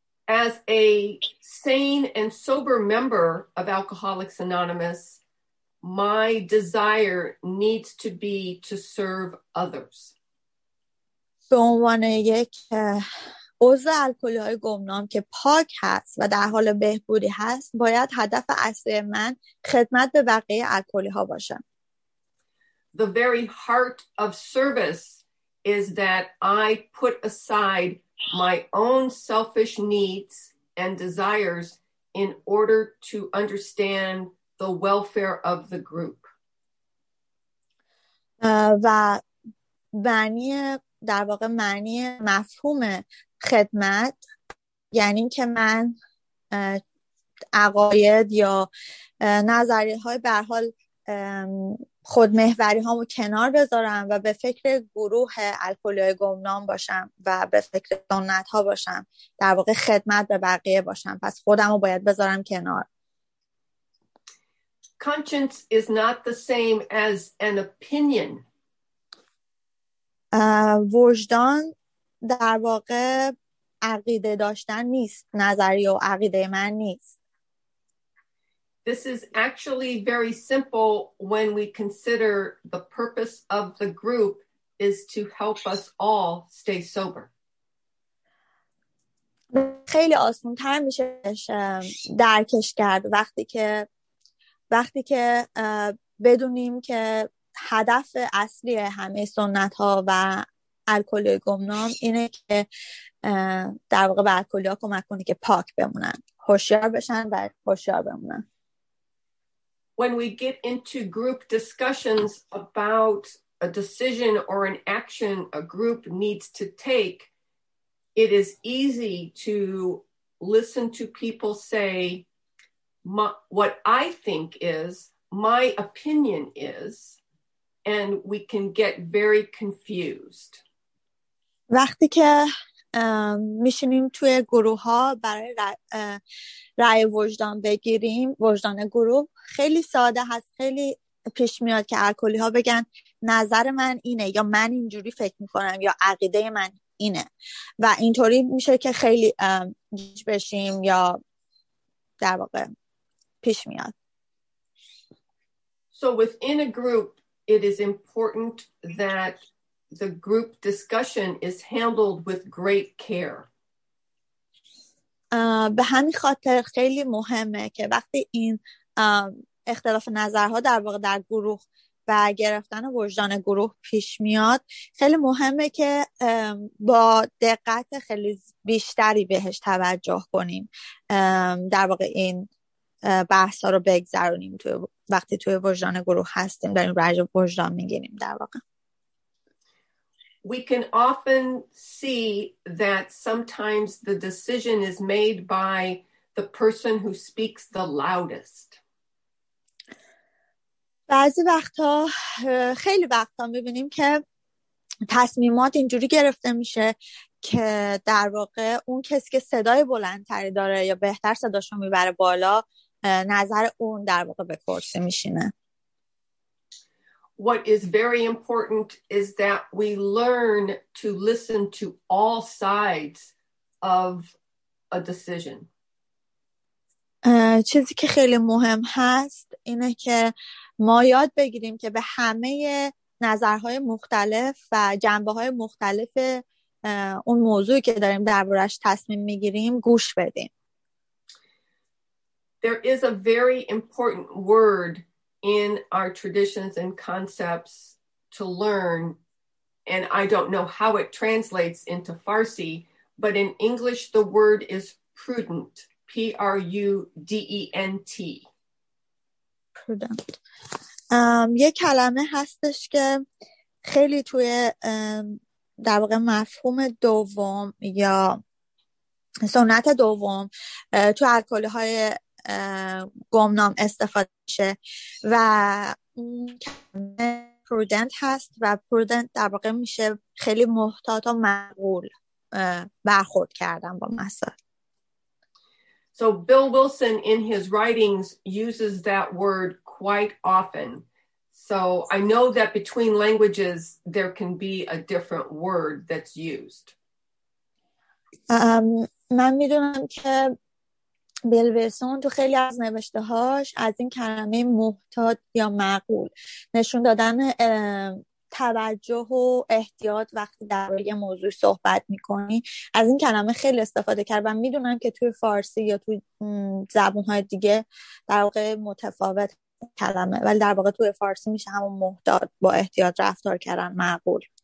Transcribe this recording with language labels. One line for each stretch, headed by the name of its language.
English: As a sane and sober member of Alcoholics Anonymous, my desire needs to be to serve others.
Persian: به عنوان یک عضو الکلی های گمنام که پاک هست و در حال بهبودی هست باید هدف اصلی من خدمت به بقیه الکلی ها باشه.
English: The very heart of service is that I put aside my own selfish needs and desires in order to understand the welfare of the group.
Persian: و معنی در واقع معنی مفهوم خدمت یعنی که من عقاید یا نظریه های به هر حال خودمحوری هامو کنار بذارم و به فکر گروه الکلی های گمنام باشم و به فکر سنت ها باشم در واقع خدمت به بقیه باشم پس خودمو باید بذارم کنار.
English: Conscience is not the same as an opinion.
Persian: وجدان در واقع عقیده داشتن نیست، نظریه و عقیده من نیست.
English: This is actually very simple when we consider the purpose of the group is to help us all stay sober.
Persian: خیلی آسان‌تر میشه درکش کرد وقتی که بدونیم که هدف اصلی همه سنت ها و الکلی گمنام اینه که در واقع به الکلی ها کمک کنه که پاک بمونن، هوشیار بشن و هوشیار بمونن.
English: When we get into group discussions about a decision or an action a group needs to take, it is easy to listen to people say, what I think is, my opinion is, and we can get very confused.
Persian: وقتی که میشینیم توی گروه ها برای رأی وجدان بگیریم وجدان گروه خیلی ساده هست خیلی پیش میاد که الکلی ها بگن نظر من اینه یا من اینجوری فکر میکنم یا عقیده من اینه و اینطوری میشه که خیلی گیج بشیم یا در واقع پیش میاد.
English: So within a group it is important that the group discussion is handled with great care.
Persian: به همین خاطر خیلی مهمه که وقتی این اختلاف نظرها در واقع در گروه و گرفتن وجدان گروه پیش میاد خیلی مهمه که با دقت خیلی بیشتری بهش توجه کنیم در واقع این بحثا رو بگذرونیم توی وقتی توی وجدان گروه هستیم داریم راجع به وجدان میگیم در واقع.
English: we can often see that sometimes the decision is made by the person who speaks the loudest.
Persian: بعضی وقتا خیلی وقتا میبینیم که تصمیمات اینجوری گرفته میشه که در واقع اون کسی که صدای بلندتری داره یا بهتر صداشو میبره بالا نظر اون در واقع به کرسی میشینه.
English: What is very important is that we learn to listen to all sides of a decision.
Persian: چیزی که خیلی مهم هست اینه که ما یاد بگیریم که به همه نظرهای مختلف و جنبه‌های مختلف اون موضوعی که داریم دربارش تصمیم میگیریم گوش بدیم.
English: There is a very important word in our traditions and concepts to learn, and I don't know how it translates into Farsi, but in English the word is prudent. P-R-U-D-E-N-T. Prudent.
Persian: یه کلمه هستش که خیلی توی در واقع مفهوم دوم یا سنت دوم تو الکل‌های گمنام استفاده شه و کلمه prudent هست و prudent در واقع میشه خیلی محتاط و معقول برخورد کردن با مسائل.
English: So Bill Wilson in his writings uses that word quite often. So I know that between languages there can be a different word that's used.
Persian: من میدونم که بیل ویلسون تو خیلی از نوشته هاش از این کلمه محتاط یا معقول نشون دادن توجه و احتیاط وقتی در یه موضوع صحبت میکنی از این کلمه خیلی استفاده کرد و میدونم که توی فارسی یا توی زبونهای دیگه در واقع متفاوت کلمه ولی در واقع توی فارسی میشه همون محتاط با احتیاط رفتار کردن معقول.